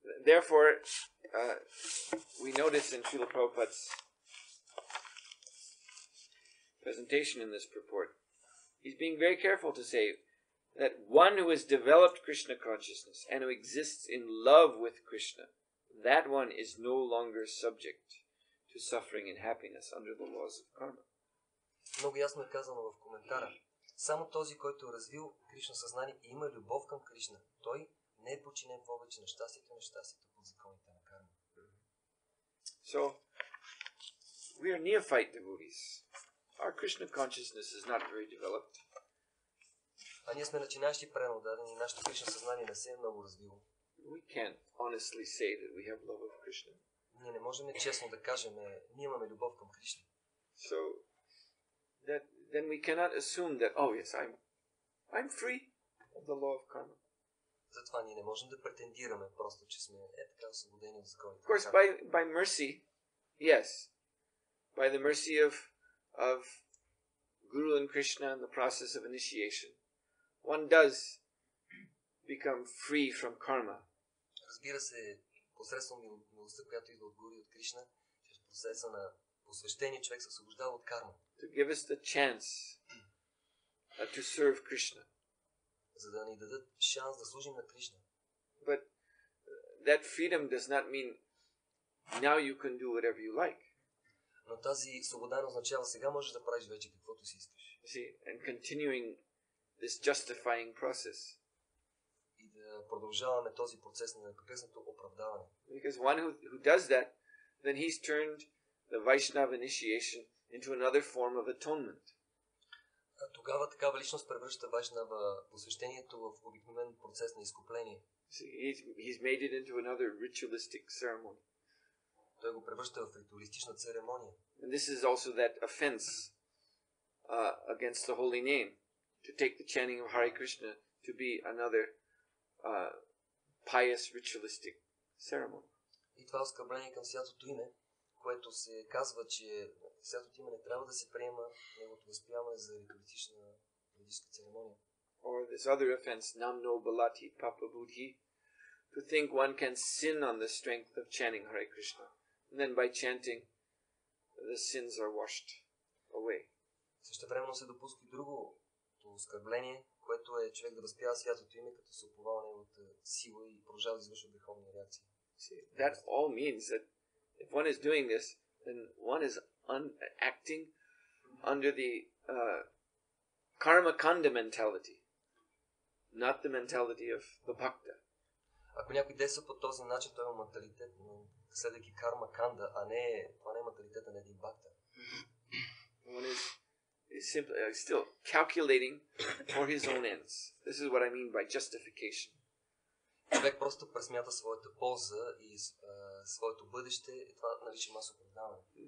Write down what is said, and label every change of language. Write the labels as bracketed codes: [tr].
[en] Therefore, we notice in Srila Prabhupada's presentation in this purport, he's being very careful to say that one who has developed Krishna consciousness and who exists in love with Krishna, that one is no longer subject to suffering and happiness under the laws of karma. [bg] Много ясно е казано в коментара. Само този, който е развил Кришна съзнание и има любов към Кришна, той не е подчинен повече на щастието и нещастието по законите на карма. [en] So, we are neophyte devotees. Our Krishna consciousness is not very developed. [bg] А ние сме начинащи пренодадени, нашето Кришна съзнание не се е много развило. [en] We can't honestly say that we have love of Krishna. [bg] Ние не можем честно да кажем, ние имаме любов към Кришна. [en] So, then we cannot assume that, oh yes, I'm free of the law of karma. [bg] Затова ние не можем да претендираме просто, че сме така освободени от законите. [en] Of course, by mercy, yes. By the mercy of Guru and Krishna and the process of initiation, one does become free from karma. [bg] Разбира се, посредством милостта, която идва от Гуру и от Кришна, чрез процеса на посвещение, човек се освобождава от карма. [en] To give us the chance to serve Krishna. [bg] За да ни дадат шанс да служим на Кришна. [en] But that freedom does not mean now you can do whatever you like. [bg] Но тази свобода не означава сега можеш да правиш вече каквото си искаш. [en] See, and continuing this justifying process. [bg] И да продължаваме този процес на непрекъснато оправдаване. [en] Because one who does that, then he's turned the Vaishnava initiation into another form of atonement. [bg] Тогава такава личност превръща Вайшнава посвещението в обикновен процес на изкупление. [en] He's made it into another ritualistic ceremony. [bg] Той го превръща в ритуалистична церемония. [en] And this is also that offense against the holy name to take the chanting of Hare Krishna to be another pious ritualistic ceremony. [bg] И това оскърбление към святото име, което се казва, че святото име не трябва да се приема неговото възприемане за ритуалистична ритуалистична церемония. [en] Or this other offense, [sa] namno balati papabuddhi, [en] to think one can sin on the strength of chanting Hare Krishna. And then by chanting, the sins are washed away. [bg] Същевременно се допуска и другото оскърбление, което е човек да възприява святото име, като се уповава неговата сила и продължава да извършва греховни реакции. [en] See, that all means that if one is doing this, then one is acting under the karma kanda mentality, not the mentality of the bhakta. [bg] Ако някой действа по този начин, той има манталитет, но следвайки карма канда, а не това не е манталитета на един бхакта. [en] One is simply still calculating for his own ends. This is what I mean by justification. [bg] Човек просто пресмята своята полза и своето бъдеще и това наричам аз оправдаване.